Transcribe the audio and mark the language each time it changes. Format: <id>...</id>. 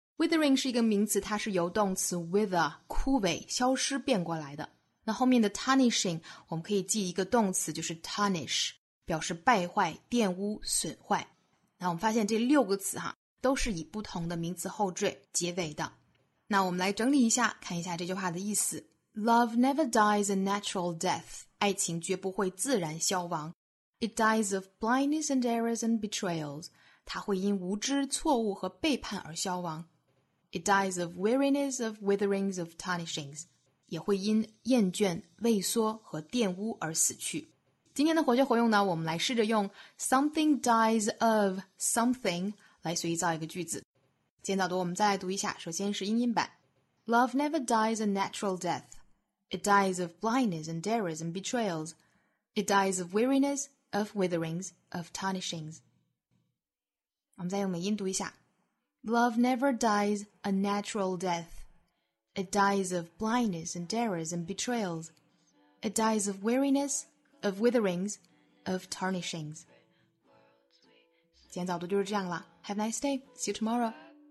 <zh>Withering 是一个名词，它是由动词 wither 枯萎消失变过来的。那后面的 tarnishing 我们可以记一个动词，就是 tarnish， 表示败坏、玷污、损坏。那我们发现这六个词哈，都是以不同的名词后缀结尾的。那我们来整理一下，看一下这句话的意思。</zh> <en>Love never dies a natural death，</en> <zh>爱情绝不会自然消亡。</zh> <en>It dies of blindness and errors and betrayals，</en> <zh>它会因无知、错误和背叛而消亡。</zh> <en>It dies of weariness, of witherings, of tarnishings，</en> <zh>也会因厌倦、畏缩和玷污而死去。今天的活学活用呢，我们来试着用 something dies of something 来随意造一个句子。今天早读我们再来读一下，首先是英音版。</zh> <en>Love never dies a natural death. It dies of blindness and errors and betrayals. It dies of weariness, of witherings, of tarnishings.</en> <zh>我们再用美音读一下。</zh> <en>Love never dies a natural death. It dies of blindness and errors and betrayals. It dies of weariness, of witherings, of tarnishings.</en> <zh>今天早读就是这样了。</zh> <en>Have a nice day. See you tomorrow.</en>